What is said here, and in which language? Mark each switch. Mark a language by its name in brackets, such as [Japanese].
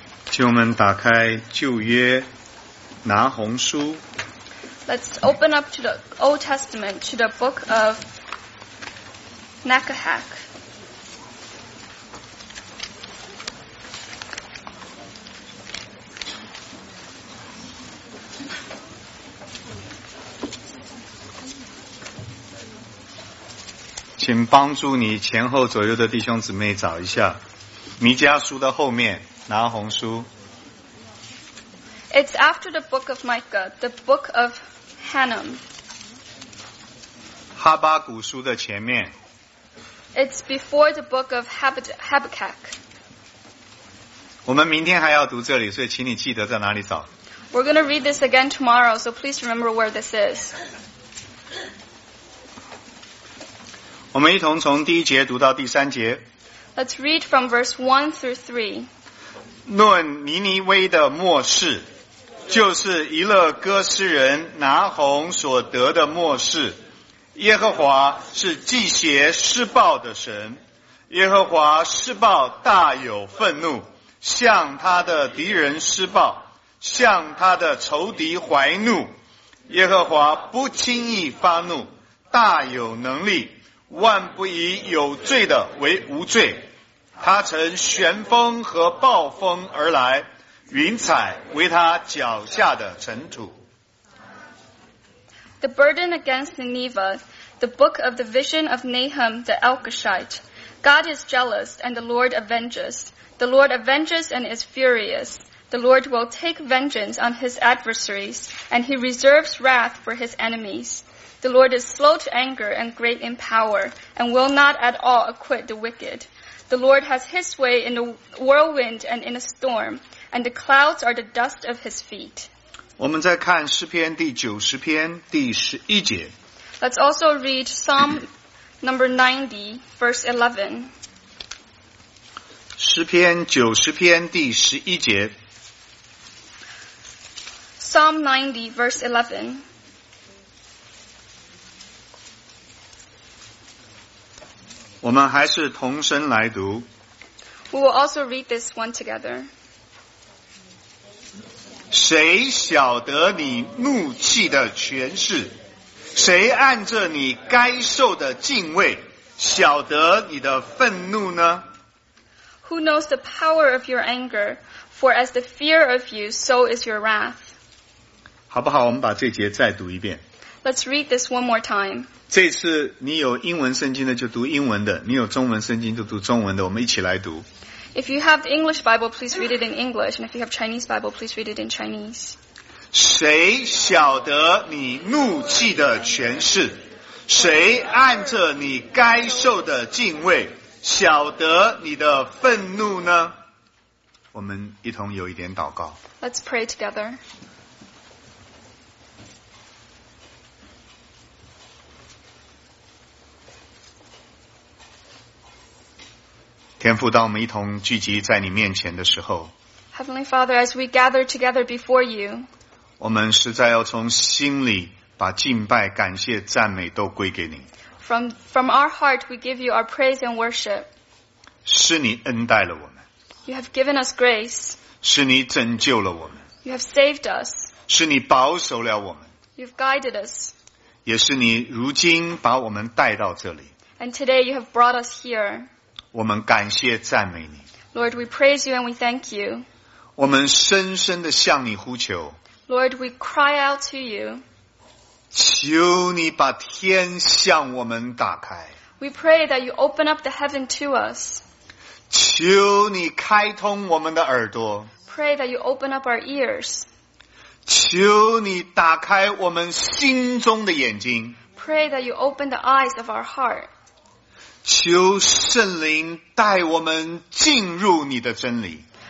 [Chinese] 请我们打开旧约拿鸿书。 [English] Let's open up to the Old Testament, to the book of Nahum. [Chinese] 请帮助你前后左右的弟兄姊妹找一下弥迦书的后面拿鸿书。 [English] It's after the book of Micah, the book of Hanum. [Chinese] 哈巴谷书的前面。 [English] It's before the book of Habakkuk. [Chinese] 我们明天还要读这里，所以请你记得在哪里找。 [English] We're going to read this again tomorrow, so please remember where this is. [Chinese] 我们一同从第一节读到第三节。 [English] Let's read from verse 1 through 3. [Chinese] 论尼尼微的末世。就是以勒歌诗人拿鸿所得的末世，耶和华是祭邪施暴的神，耶和华施暴大有愤怒，向他的敌人施暴，向他的仇敌怀怒，耶和华不轻易发怒，大有能力，万不以有罪的为无罪，他乘旋风和暴风而来，云彩为他脚下的尘土。 [English] The burden against Nineveh, the book of the vision of Nahum the Elkoshite. God is jealous and the Lord avenges. The Lord avenges and is furious. The Lord will take vengeance on his adversaries, and he reserves wrath for his enemies. The Lord is slow to anger and great in power, and will not at all acquit the wicked. The Lord has his way in the whirlwind and in a storm. And the clouds are the dust of his feet. [Chinese] 我们再看诗篇第九十篇第十一节。 [English] Let's also read Psalm number 90, verse 11. [Chinese] 诗篇九十篇第十一节。 [English] Psalm 90, verse 11. [Chinese] 我们还是同声来读。 [English] We will also read this one together. [Chinese] 谁晓得你怒气的权势？谁按着你该受的敬畏，晓得你的愤怒呢？ [English] Who knows the power of your anger? For as the fear of you, so is your wrath. [Chinese] 好不好？我们把这节再读一遍。 [English] Let's read this one more time. [Chinese] 这次你有英文圣经的就读英文的，你有中文圣经就读中文的，我们一起来读。 [English] If you have the English Bible, please read it in English. And if you have Chinese Bible, please read it in Chinese. [Chinese] 谁晓得你怒气的权势？谁按着你该受的敬畏，晓得你的愤怒呢？我们一同有一点祷告。 [English] Let's pray together. [Chinese] 天父，当我们一同聚集在你面前的时候， [English] Heavenly Father, as we gather together before you, [Chinese] 我们实在要从心里把敬拜、感谢、赞美都归给你。 [English] From our heart, we give you our praise and worship. [Chinese] 是你恩待了我们。 [English] You have given us grace. [Chinese] 是你拯救了我们。 [English] You have saved us. [Chinese] 是你保守了我们。 [English] You've guided us. [Chinese] 也是你如今把我们带到这里。 [English] And today you have brought us here. [Chinese] 我们感谢赞美你。 [English] Lord, we praise you and we thank you. [Chinese] 我们深深地向你呼求。 [English] Lord, we cry out to you. [Chinese] 求你把天向我们打开。 [English] We pray that you open up the heaven to us. [Chinese] 求你开通我们的耳朵。 [English] Pray that you open up our ears. [Chinese] 求你打开我们心中的眼睛。 [English] Pray that you open the eyes of our heart. [Chinese] 求圣灵带我们进入你的真理。